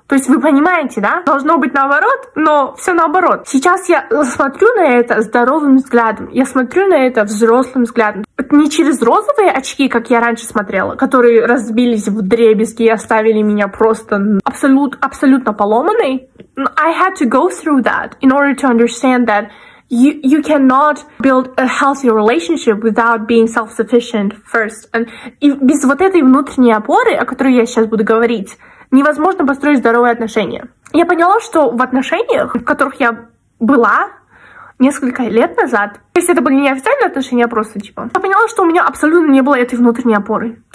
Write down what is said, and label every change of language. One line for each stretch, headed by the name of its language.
Russian: То есть вы понимаете, да? Должно быть наоборот, но все наоборот. Сейчас я смотрю на это здоровым взглядом. Я смотрю на это взрослым взглядом. Не через розовые очки, как я раньше смотрела, которые разбились в дребезги и оставили меня просто абсолютно поломанной.
English: I had to go through that in order to understand that you cannot build a healthy relationship without being self-sufficient first.
Russian: And и без вот этой внутренней опоры, о которой я сейчас буду говорить, невозможно построить здоровые отношения. Я поняла, что в отношениях, в которых я была несколько лет назад, то есть это были не официальные отношения, а просто типа, я поняла, что у меня абсолютно не было этой внутренней опоры.